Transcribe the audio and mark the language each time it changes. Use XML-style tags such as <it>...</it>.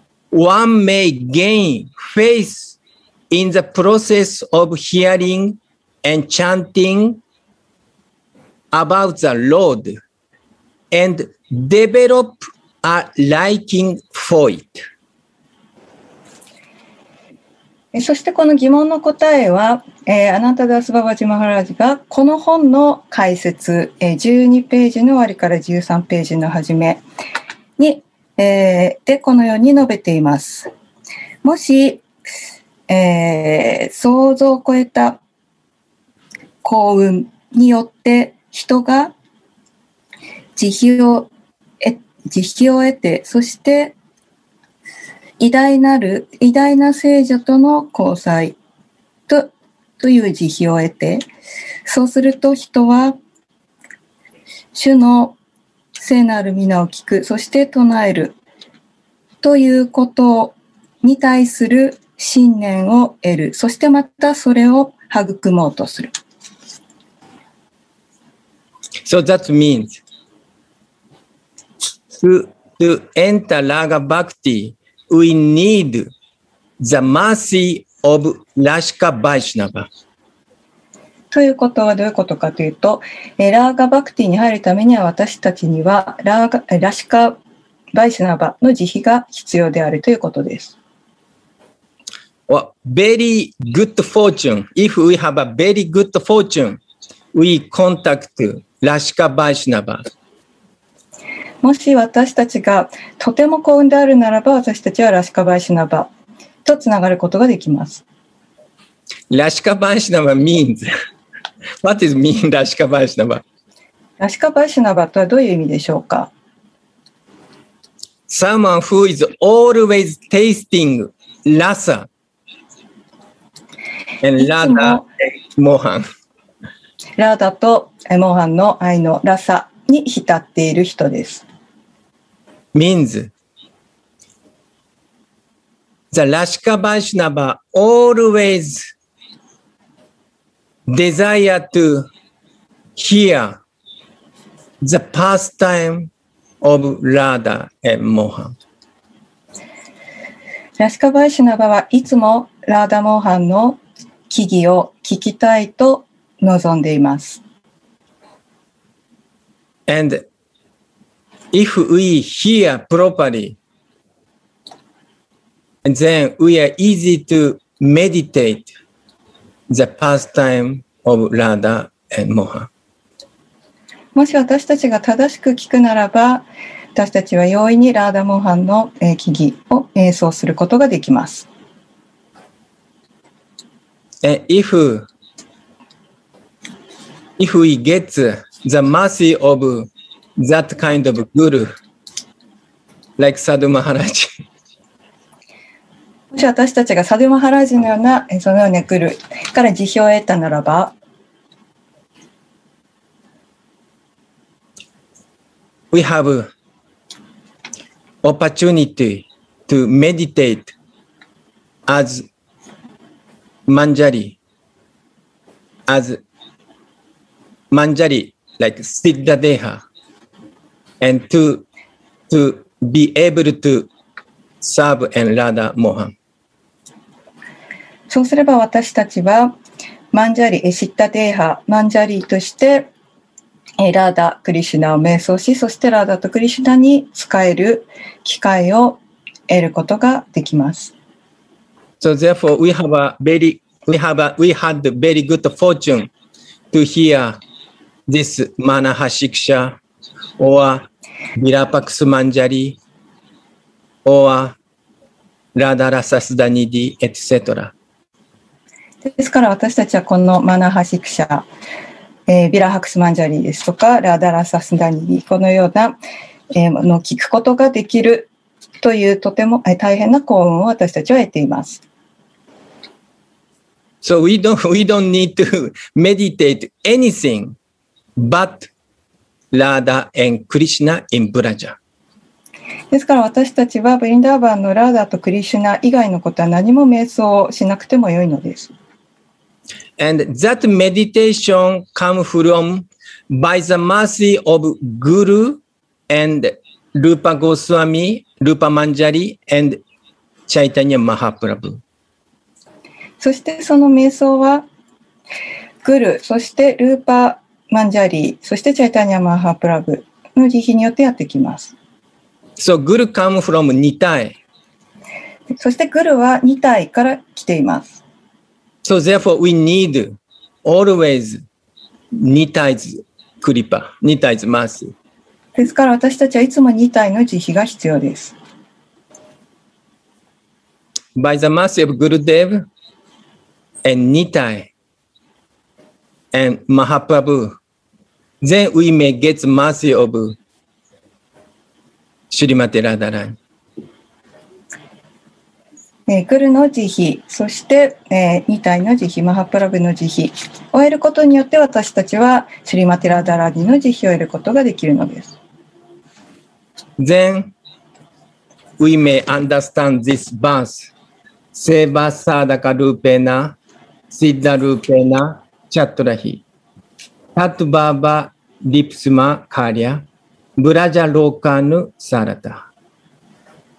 <en>One may gain faith in the process of hearing and chanting about the Lord and develop a liking for it.</en> <ja>そしてこの疑問の答えは、アナンタダス・ババジ・マハラジがこの本の解説、12ページの終わりから13ページの始めに、でこのように述べています。もし、想像を超えた幸運によって人が慈悲を得てそして偉大な聖女との交際と、という慈悲を得て、そうすると人は、主の聖なる皆を聞く、そして唱える、ということに対する信念を得る、そしてまたそれを育もうとする。</ja> <en>So that means, to enter Raga Bhakti,We need the mercy of Rashika Vaishnava.</en> <ja>ということはどういうことかというと、ラーガバクティに入るためには私たちにはラシカ・バイシナバの慈悲が必要であるということです。</ja> <en>Well, very good fortune. If we have a very good fortune, we contact Rashika Vaishnava.</en> <ja>もし私たちがとても幸運であるならば、私たちはラシカバイシナバとつながることができます。</ja> <en>ラシカバイシナバ means what is mean ラシカバイシナバ？</en> <ja>ラシカバイシナバとはどういう意味でしょうか</ja> <en>？Someone who is always tasting rasa and Radha Mohan。</en> <ja>ラダとモハンの愛のラサに浸っている人です。</ja> <en>Means the Rashika Vaishnava always desire to hear the pastime of Radha and Mohan.</en> <ja>Rashika Vaishnava はいつも Radha Mohan の奇技を聞きたいと望んでいます。</ja> <en>And If we hear properly, then we are easy to meditate the pastime of Radha and Mohan.</en> <ja>もし私たちが正しく聞くならば、私たちは容易にラーダモーハンの木々を演奏することができます。</ja> <en>If we get the mercy of that kind of guru, like Sadhu Maharaj.</en> <ja>もし私たちがサドゥマハラージのような、そのようなグルから慈悲を得たならば、</ja> <en>We have opportunity to meditate as Manjari, like Siddhadeha, and to be able to serve and Radha Mohan.</en> <ja>そうすれば私たちは、マンジャリ、シッタデーハ、マンジャリとして、ラーダ・クリシュナを瞑想し、そしてラーダとクリシュナに使える機会を得ることができます。</ja> <en>So therefore, we had a very good fortune to hear this Manahashiksha or Virapaksu Manjari or Radha Rasasdanidhi, etc.</en> <ja>ですから私たちはこのマナハシクシャ、ビラハクスマンジャリーですとかラダラサスダニー、このような、ものを聞くことができるというとても大変な幸運を私たちは得ています。</ja> <en>So we don't need to meditate anything but Radha and Krishna in Braja。</en> <ja>ですから私たちはブリンダーバンのラダとクリシュナ以外のことは何も瞑想をしなくてもよいのです。</ja> <en>And that meditation comes from by the mercy of Guru and Rupa Goswami, Rupa Manjari and Chaitanya Mahaprabhu.</en> <ja>そしてその瞑想は Guru、そして Rupa Manjari、そして Chaitanya Mahaprabhu の慈悲によってやってきます。</ja> <en>So Guru comes from Nitai.</en> <ja>そして Guru は Nitai から来ています。</ja> <en>So therefore, we need always Nitai's Kripa, Nitai's mercy.</en> <ja>ですから私たちはいつも Nitai の慈悲が必要です。</ja> <en>By the mercy of Gurudev and Nitai and Mahaprabhu, then we may get the mercy of Shrimati Radharani.</en> <ja>グルの慈悲、そして、二体の慈悲、マハプラブの慈悲を得ることによって私たちはシュリマティラダラディの慈悲を得ることができるのです。</ja> <en>Then we may understand this verse</en> <sa>Seva Sadaka Rupena Siddha Rupena Chattrahi Tatubaba Lipsma Karya Braja Lokanu Sarata。</sa>